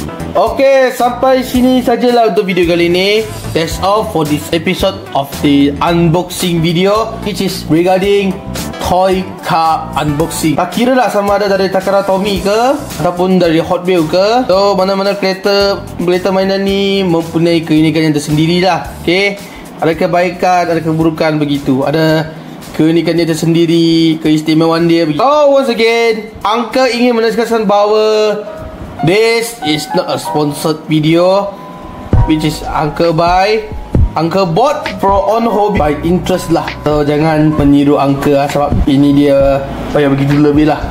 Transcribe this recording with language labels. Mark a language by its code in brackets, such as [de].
[ms] Okay, sampai sini sajalah untuk video kali ini. [en] That's all for this episode of the unboxing video, which is regarding toy car unboxing. [ms] Tak kira lah sama ada dari Takara Tomy ke ataupun dari Hot Wheels ke. So mana-mana kereta mainan ni mempunyai keunikan yang tersendiri lah. Okay, ada kebaikan, ada keburukan begitu. Ada keunikan dia tersendiri, keistimewaan dia begitu. [en] So once again, Uncle [ms] ingin menegaskan bahawa [en] this is not a sponsored video, which is Uncle buy, Uncle bought for own hobby by interest lah. [ms] So jangan meniru Uncle lah, sebab ini dia bayar begitu lebih lah.